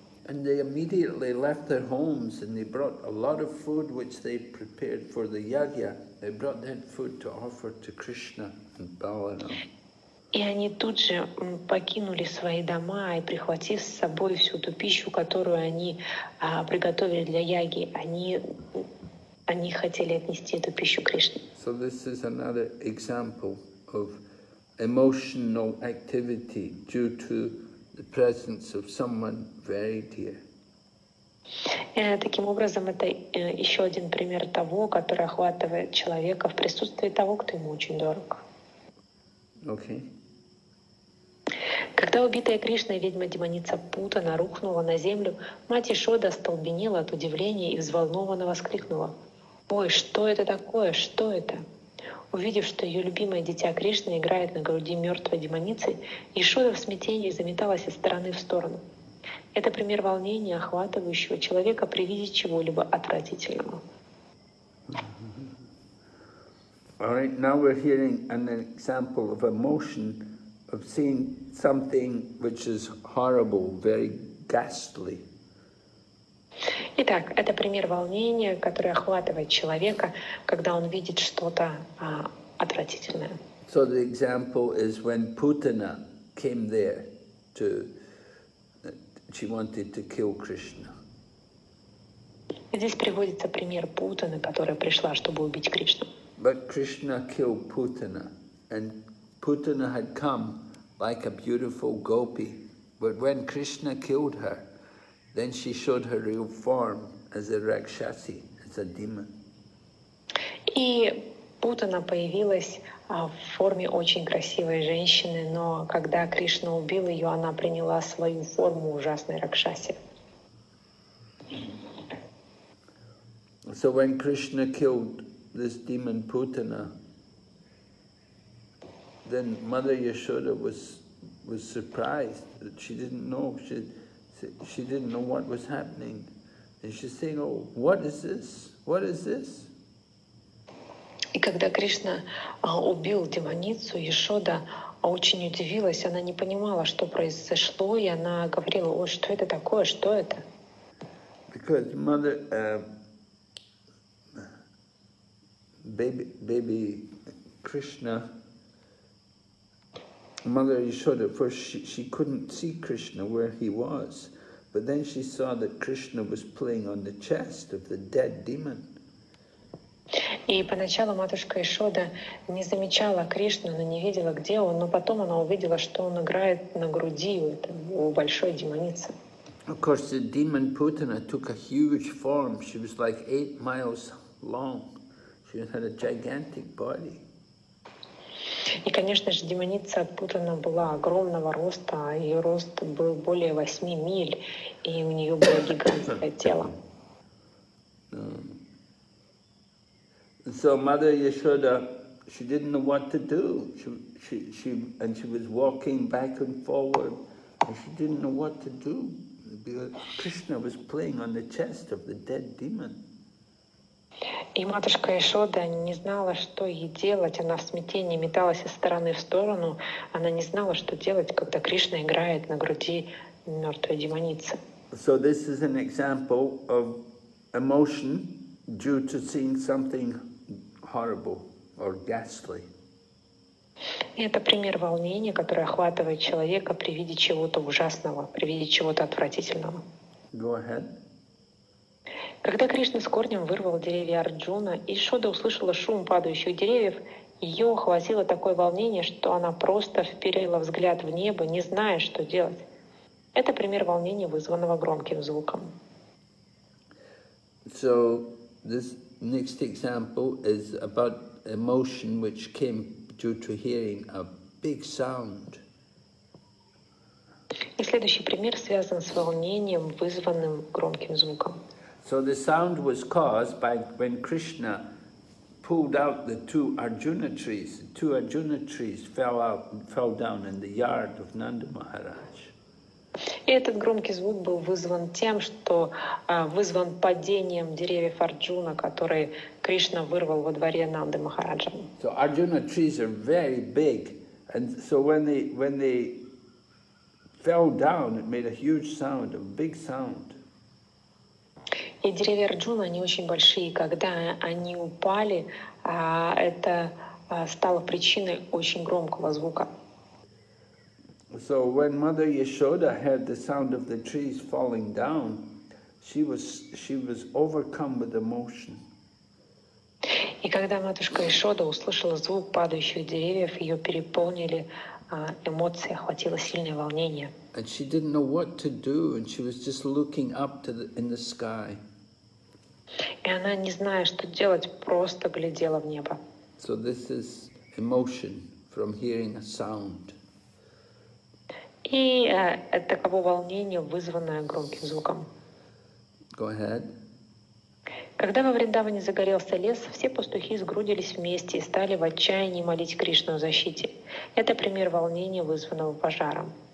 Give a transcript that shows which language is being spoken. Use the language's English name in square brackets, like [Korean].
[English] And they immediately left their homes and they brought a lot of food which they prepared for the yagya. They brought that food to offer to Krishna and Balaram. [Russian] И они тут же покинули свои дома и прихватив с собой всю ту пищу, которую они приготовили для яги, они хотели отнести эту пищу Кришне. [English] So this is another example of emotional activity due to the presence of someone very dear. [Russian] Таким образом, это еще один пример того, который охватывает человека в присутствии того, кто ему очень дорог. [English] Okay. [Russian] Когда убитая Кришной ведьма-демоница Путана рухнула на землю, мать Ишода остолбенела от удивления и взволнованно воскликнула. «Ой, что это такое? Что это?» Увидев, что ее любимое дитя Кришна играет на груди мертвой демоницы, Яшода в смятении заметалась из стороны в сторону. Это пример волнения, охватывающего человека при виде чего-либо отвратительного. [English] All right, now we're hearing an example of emotion of seeing something which is horrible, very ghastly. [Russian] Итак, это пример волнения, которое охватывает человека, когда он видит что-то отвратительное. [English] So the example is when Putana came there to she wanted to kill Krishna. [Russian] Здесь приводится пример Путаны, которая пришла, чтобы убить Кришну. [English] But Krishna killed Putana, and Putana had come like a beautiful gopi. But when Krishna killed her, then she showed her real form as a rakshasi, as a demon. [Russian] И Путана появилась в форме очень красивой женщины, но когда Кришна убил ее, она приняла свою форму ужасной ракшаси. [English] So when Krishna killed this demon Putana, then Mother Yashoda was surprised that she didn't know what was happening, and she's saying, "Oh, what is this? What is this?" [Russian] И когда Кришна убил демоницу, Яшода очень удивилась. Она не понимала, что произошло, и она говорила: "О, что это такое? Что это?" [English] Because mother. Baby Krishna, Mother Yashoda, first she couldn't see Krishna where he was, but then she saw that Krishna was playing on the chest of the dead demon. [Russian] И поначалу матушка Яшода не замечала Кришну, она не видела, где он, но потом она увидела, что он играет на груди у большой демоницы. [English] Of course, the demon Putana took a huge form. She was like 8 miles long. She had a gigantic body. [Russian] И, конечно же, демоница Путана была огромного роста, ее рост был более 8 миль, и у нее было гигантское тело. [English] So Mother Yashoda, she didn't know what to do. She was walking back and forward, and she didn't know what to do because Krishna was playing on the chest of the dead demon. [Russian] И матушка Яшода не знала, что ей делать. Она в смятении металась из стороны в сторону. Она не знала, что делать, когда Кришна играет на груди мертвой демоницы. [English] So this is an example of emotion due to seeing something horrible or ghastly. [Russian] И это пример волнения, которое охватывает человека при виде чего-то ужасного, при виде чего-то отвратительного. [English] Go ahead. [Russian] Когда Кришна с корнем вырвал деревья Арджуна, Яшода услышала шум падающих деревьев, ее охватило такое волнение, что она просто вперила взгляд в небо, не зная, что делать. Это пример волнения, вызванного громким звуком. [English] So, this next example is about emotion which came due to hearing a big sound. [Russian] И следующий пример связан с волнением, вызванным громким звуком. [English] So the sound was caused by when Krishna pulled out the two Arjuna trees. Two Arjuna trees fell down in the yard of Nanda Maharaj. [Russian] И этот громкий звук был вызван тем, что вызван падением деревьев Арджуна, которые Кришна вырвал во дворе Нанды Махараджа. [English] So Arjuna trees are very big, and so when they fell down, it made a huge sound, a big sound. [Russian] И деревья Арджуна, они очень большие, когда они упали, это стало причиной очень громкого звука. [English] So when Mother Yashoda heard the sound of the trees falling down, she was overcome with emotion. [Russian] И когда матушка Яшода услышала звук падающих деревьев, ее переполнили эмоции, охватило сильное волнение. [English] And she didn't know what to do, and she was just looking up to the, in the sky. [Russian] И она, не зная, что делать, просто глядела в небо. [English] So this is emotion from hearing a sound. [Russian] И это таково волнение, вызванное громким звуком. [English] Go ahead. [Russian] Когда во Вриндаване загорелся лес, все пастухи сгрудились вместе и стали в отчаянии молить Кришну о защите. Это пример волнения, вызванного пожаром.